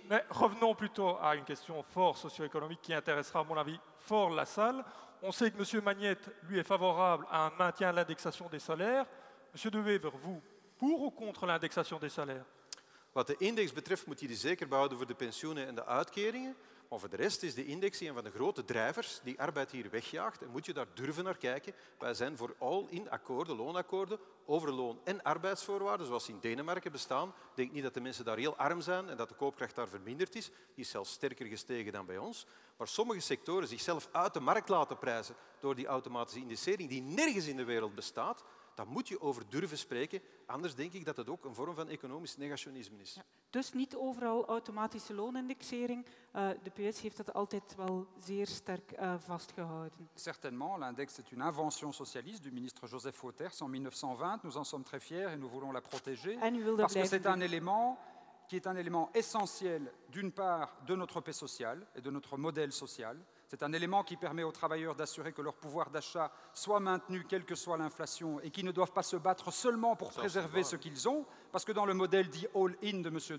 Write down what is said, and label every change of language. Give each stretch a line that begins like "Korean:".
French: Mais revenons plutôt à une question fort socio-économique qui intéressera, à mon avis, fort la salle. On sait que M. Magnette, lui, est favorable à un maintien de l'indexation des salaires. M. De Wever, vous, pour ou contre l'indexation des salaires?
Dutch: Wat de index betreft moet je die zeker behouden voor de pensioenen en de uitkeringen. Maar voor de rest is de index een van de grote drijvers die arbeid hier wegjaagt. En moet je daar durven naar kijken. Wij zijn voor all-in akkoorden, loonakkoorden, over loon- en arbeidsvoorwaarden, zoals in Denemarken bestaan. Ik denk niet dat de mensen daar heel arm zijn en dat de koopkracht daar verminderd is. Die is zelfs sterker gestegen dan bij ons. Maar sommige sectoren zichzelf uit de markt laten prijzen door die automatische indexering die nergens in de wereld bestaat. Dan moet je over durven spreken, anders denk ik dat het ook een vorm van economisch negationisme is. Ja, dus niet overal automatische loonindexering. De PS heeft dat altijd wel zeer sterk vastgehouden.
French: Certainement, l'index est une invention socialiste du ministre Joseph Wauters en 1920. Nous en sommes très fiers et nous voulons la protéger.
Dutch: En u wil dat
French: parce que c'est un élément qui est un élément essentiel d'une part de notre paix sociale et de notre modèle social. C'est un élément qui permet aux travailleurs d'assurer que leur pouvoir d'achat soit maintenu, quelle que soit l'inflation, et qu'ils ne doivent pas se battre seulement pour préserver ce qu'ils ont, parce que dans le modèle dit « all-in » de M.